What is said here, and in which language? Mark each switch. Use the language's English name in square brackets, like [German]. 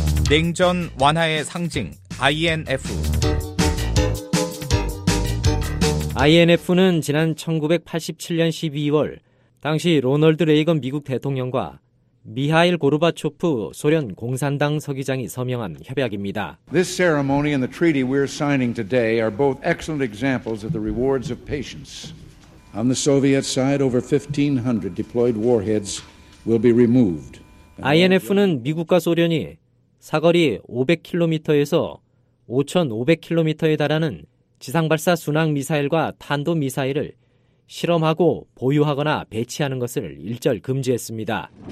[Korean] 냉전 완화의 상징 INF. INF는 지난 1987년 12월 당시 로널드 레이건 미국 대통령과 미하일 고르바초프 소련 공산당 서기장이 서명한 협약입니다. [English] This ceremony and the treaty we're signing today are both excellent examples of the rewards of patience. On the Soviet side, over 1,500 deployed warheads will be removed. [Korean] INF는 미국과 소련이 사거리 500km에서 5,500km에 달하는 지상발사 순항 미사일과 탄도 미사일을 실험하고 보유하거나 배치하는 것을 일절 금지했습니다.